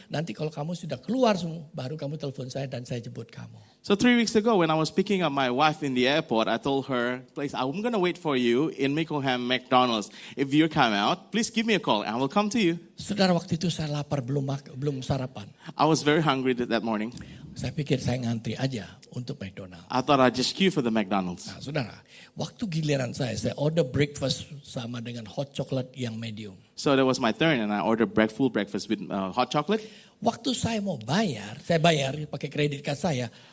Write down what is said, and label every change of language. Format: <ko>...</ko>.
<id>Nanti kalau kamu sudah keluar semua, baru kamu telepon saya dan saya jemput kamu.</id> <en>So 3 weeks ago when I was picking up my wife in the airport, I told her, please, I'm going to wait for you in Mickleham McDonald's. If you come out, please give me a call and I will come to you.</en> <id>Saudara, waktu itu saya lapar, belum sarapan.</id> <en>I was very hungry that morning.</en> <id>Saya pikir saya ngantri aja untuk McDonald's.</id> <en>I thought I'd just queue for the McDonald's.</en> <id>Nah, saudara, waktu giliran saya order breakfast sama dengan hot chocolate yang medium.</id> <en>So that was my turn and I ordered full breakfast with hot chocolate.</en> <id>Waktu saya mau bayar, saya bayar pakai kredit card saya.</id>